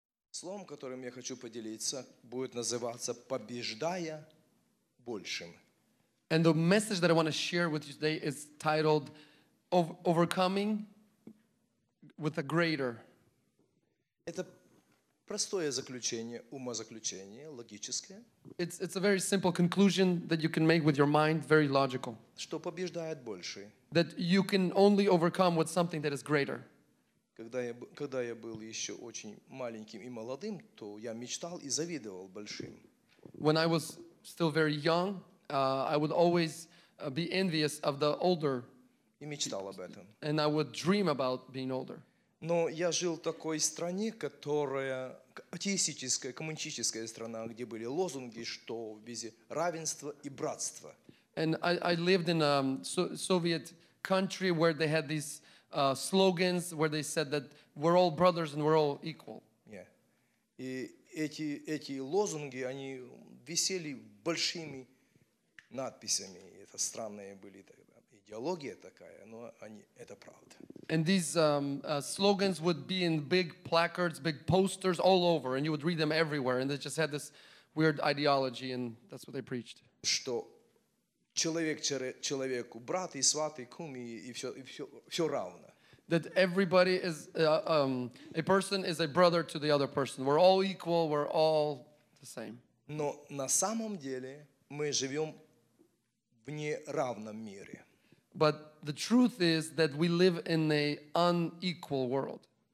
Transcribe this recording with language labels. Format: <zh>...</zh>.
<ru>Словом, которым я хочу поделиться, будет называться «Побеждая большим».</ru> <en>And the message that I want to share with you today is titled «Overcoming with a greater».</en> <ru>Это простое заключение, умозаключение, логическое.</ru> <en>It's a very simple conclusion that you can make with your mind, very logical.</en> <ru>Что побеждает больше.</ru> <en>That you can only overcome with something that is greater.</en> <ru>Когда я был еще очень маленьким и молодым, то я мечтал и завидовал большим.</ru> <en>When I was still very young, I would always be envious of the older.</en> <ru>И мечтал об этом.</ru> <en>And I would dream about being older.</en> <ru>Но я жил в такой стране, которая атеистическая, коммунистическая страна, где были лозунги, что везде равенство и братство.</ru> <en>And I lived in a Soviet country where they had these slogans where they said that we're all brothers and we're all equal. Yeah.</en> <ru>И эти лозунги, они висели большими надписями. Это странные были тогда. Идеология такая, но они, это правда.</ru> <en>And these slogans would be in big placards, big posters all over, and you would read them everywhere, and they just had this weird ideology, and that's what they preached.</en> <ru>Что человек человеку, брат и сват и кум и все равно.</ru> <en>That everybody is a person is a brother to the other person. We're all equal. We're all the same.</en> <ru>Но на самом деле мы живем в неравном мире.</ru> <en>But the truth is that we live in an unequal world.</en>